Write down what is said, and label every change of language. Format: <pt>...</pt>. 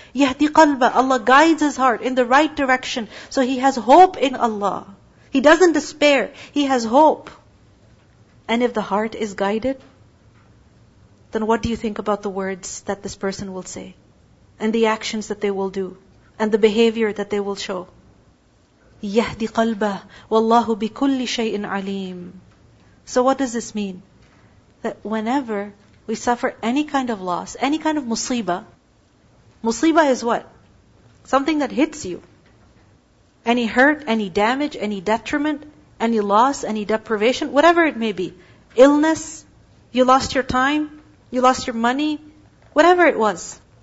<ar>يَهْدِ قَلْبَ</ar> <en>Allah guides his heart in the right direction, so he has hope in Allah. He doesn't despair, he has hope. And if the heart is guided, then what do you think about the words that this person will say? And the actions that they will do? And the behavior that they will show?</en> <ar>يَهْدِ قَلْبَهُ وَاللَّهُ بِكُلِّ شَيْءٍ عَلِيمٍ</ar> <en>So what does this mean? That whenever we suffer any kind of loss, any kind of musibah, musibah is what? Something that hits you. Any hurt, any damage, any detriment, any loss, any deprivation, whatever it may be. Illness, you lost your time, you lost your money, whatever it was.</en>